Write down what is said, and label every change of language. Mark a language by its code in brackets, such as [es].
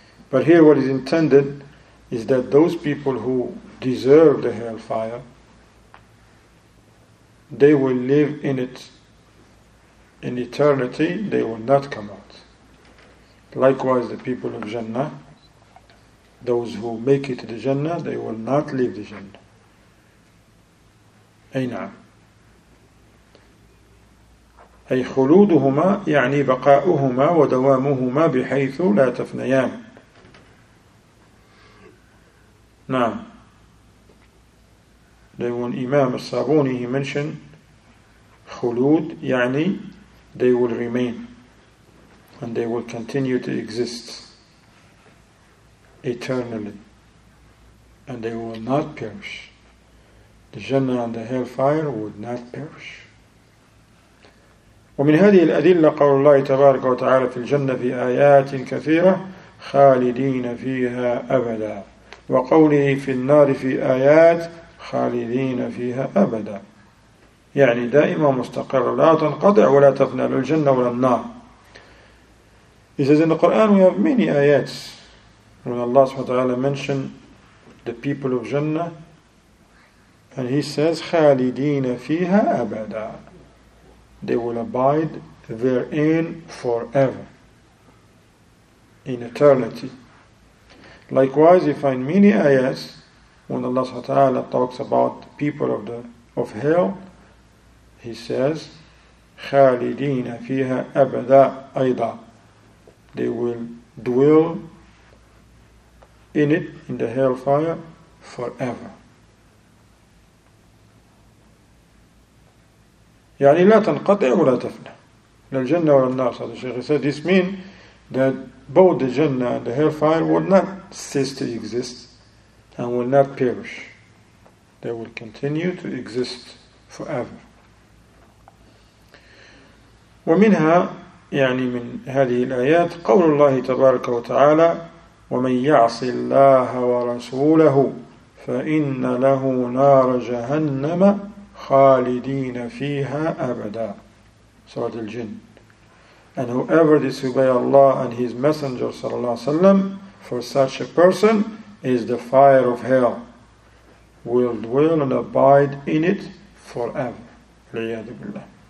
[en] But here what is intended is that those people who deserve the hellfire, they will live in it in eternity, they will not come out. Likewise, the people of Jannah, those who make it to the Jannah, they will not leave the Jannah. [ar] Ayna'am. أي خلودهما يعني بقاؤهما ودوامهما بحيث لا تفنيان. نعم. [en] Then when Imam al-Sabuni, he mentioned Khulud, يعني they will remain and they will continue to exist eternally and they will not perish. The Jannah and the Hellfire would not perish. [ar] ومن هذه الأدلة قول الله تبارك وتعالى في الجنة في آيات كثيرة خالدين فيها أبدا وقوله في النار في آيات خالدين فيها أبدا يعني دائما مستقر لا تنقطع ولا تفنى للجنة ولا النار. [en] He says in the Quran we have many ayats when Allah subhanahu wa ta'ala mentioned the people of Jannah and he says [ar] خالدين فيها أبدا. [en] They will abide therein forever, in eternity. Likewise, you find many ayahs when Allah subhanahu wa ta'ala talks about the people of hell. [ar] He says, خَالِدِينَ فِيهَا أَبَدًا أَيْضًا. [en] They will dwell in it, in the hellfire, forever. [ar] يعني لا تنقطع ولا تفنى للجنة والنار. [en] So the Shaykh said this means that both the Jannah and the hellfire will not cease to exist and will not perish. They will continue to exist forever. [ar] ومنها يعني من هذه الآيات قول الله تبارك وتعالى ومن يعص الله ورسوله فإن له نار جهنم خالدين فيها أبدا. سورة الجن. [en] And whoever disobey Allah and His Messenger [ar] صلى الله عليه وسلم, [en] for such a person is the fire of hell, will dwell and abide in it forever. [ar] العياذ بالله.